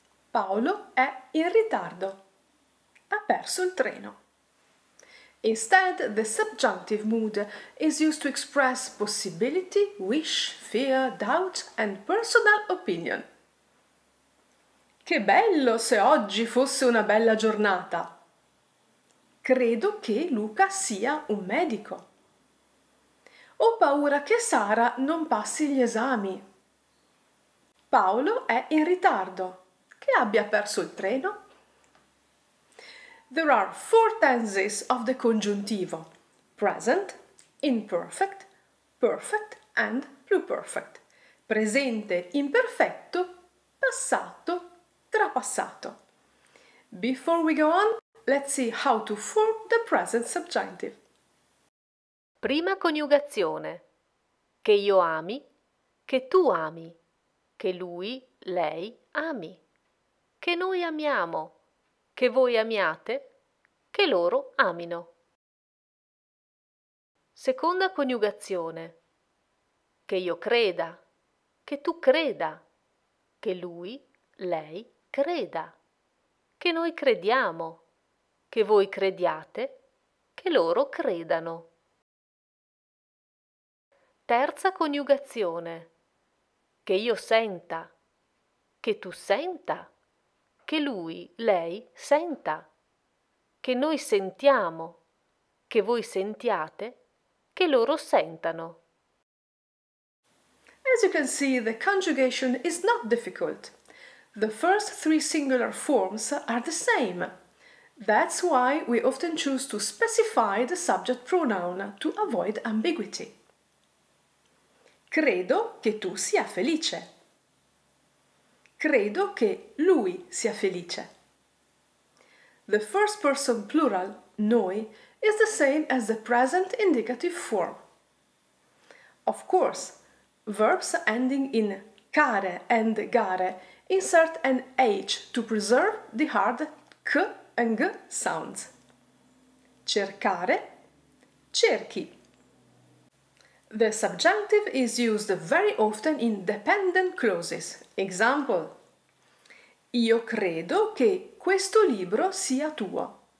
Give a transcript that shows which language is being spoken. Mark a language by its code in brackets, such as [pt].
[it] Paolo è in ritardo. Ha perso il treno. [en] Instead, the subjunctive mood is used to express possibility, wish, fear, doubt, and personal opinion. [it] Che bello se oggi fosse una bella giornata! Credo che Luca sia un medico. Ho paura che Sara non passi gli esami. Paolo è in ritardo. Che abbia perso il treno? [en] There are four tenses of the congiuntivo: present, imperfect, perfect and pluperfect. [it] Presente, imperfetto, passato, trapassato. [en] Before we go on, let's see how to form the present subjunctive. [it] Prima coniugazione. Che io ami, che tu ami, che lui, lei, ami. Che noi amiamo, che voi amiate, che loro amino. Seconda coniugazione. Che io creda, che tu creda, che lui, lei, creda. Che noi crediamo, che voi crediate, che loro credano. Terza coniugazione. Che io senta, che tu senta, che lui, lei, senta. Che noi sentiamo, che voi sentiate, che loro sentano. [en] As you can see, the conjugation is not difficult. The first three singular forms are the same. That's why we often choose to specify the subject pronoun to avoid ambiguity. [it] Credo che tu sia felice. Credo che lui sia felice. [en] The first person plural, [it] noi, [en] is the same as the present indicative form. Of course, verbs ending in care and gare insert an H to preserve the hard K and G sounds. [it] Cercare, cerchi. [en] The subjunctive is used very often in dependent clauses. [it] Example: Io credo che questo libro sia tuo.